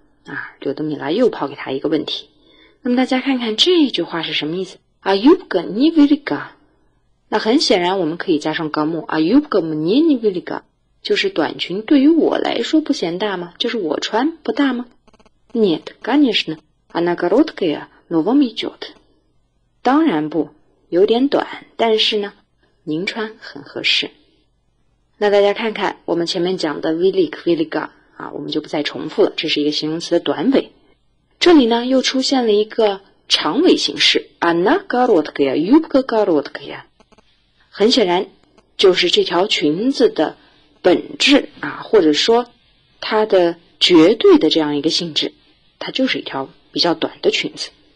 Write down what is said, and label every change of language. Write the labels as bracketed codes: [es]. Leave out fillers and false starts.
[zh] 啊，柳德米拉又抛给他一个问题。那么大家看看这句话是什么意思？啊 ， [ru] юбка не велика。 [zh] 那很显然，我们可以加上格木啊 ， [ru] юбка мне не велика， [zh] 就是短裙对于我来说不嫌大吗？就是我穿不大吗 [ru] ？Нет, конечно, она короткая, но вам идёт。 [zh] 当然不，有点短，但是呢，您穿很合适。那大家看看我们前面讲的 велик, велика 啊，我们就不再重复了，这是一个形容词的短尾。这里呢又出现了一个长尾形式 [ru] она короткая, юбка короткая， [zh] 很显然就是这条裙子的本质啊，或者说它的绝对的这样一个性质，它就是一条比较短的裙子。